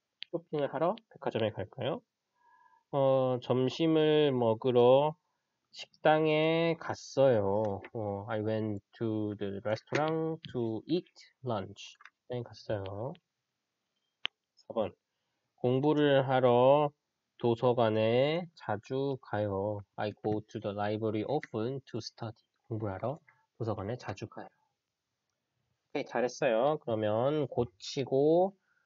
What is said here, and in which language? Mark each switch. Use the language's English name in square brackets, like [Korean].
[Korean] 쇼핑을 하러 백화점에 갈까요? 점심을 먹으러 식당에 갔어요. [English] I went to the restaurant to eat lunch. [Korean] 네, 갔어요. 4번. 공부를 하러 도서관에 자주 가요. [English] I go to the library often to study. [Korean] 공부하러 도서관에 자주 가요. 오케이, 잘했어요. 그러면 고치고